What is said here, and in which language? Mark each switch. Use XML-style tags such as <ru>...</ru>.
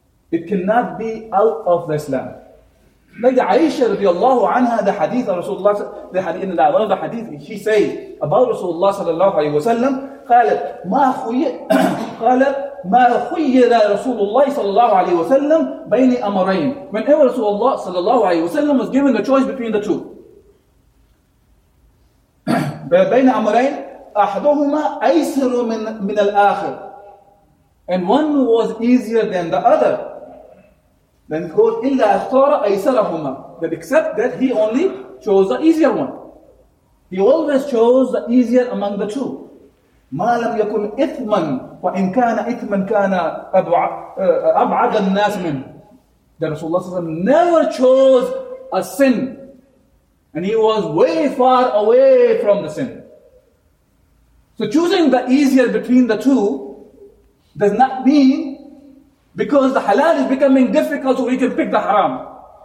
<en>It cannot be out of the Islam. Like the Aisha radiallahu anha, the hadith of Rasulullah, the hadith, one of the hadith she says about Rasulullah sallallahu alayhi wa sallam,</en> <ar>قَالَ مَا خُيِّرَ رَسُولُ اللَّهِ صَلَى اللَّهُ عَلَيْهِ وَسَلَّمْ بَيْنِ أَمَرَيْنِ.</ar> <en>Whenever Rasulullah sallallahu alayhi wa sallam was given the choice between the two,</en> <ar>بين أمرين أحدهما أيسر من الآخر.</ar> <en>And one was easier than the other. Then it goes,</en> <ar>إلا أختار أيسرهما.</ar> <en>That except that he only chose the easier one. He always chose the easier among the two.</en> <ar>ما لم يكن إثما وإن كان إثما كان أبعد الناس منه.</ar> <en>That Rasulullah صلى الله عليه وسلم never chose a sin. And he was way far away from the sin. So choosing the easier between the two does not mean because the halal is becoming difficult so we can pick the haram.</en>